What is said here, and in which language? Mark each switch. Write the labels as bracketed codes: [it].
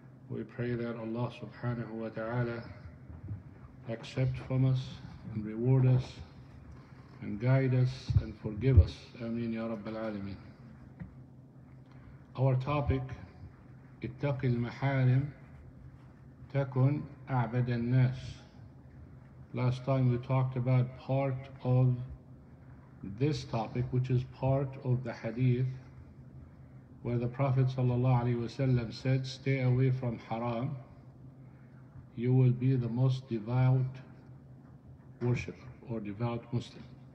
[en] We pray that Allah subhanahu wa ta'ala accept from us and reward us and guide us and forgive us. [ar] Ameen ya Rabbal Alameen. [en] Our topic, [ar] اتق المحارم تكن أعبد الناس. [en] Last time we talked about part of this topic, which is part of the hadith, where the Prophet ﷺ said, stay away from haram, you will be the most devout worshiper or devout Muslim.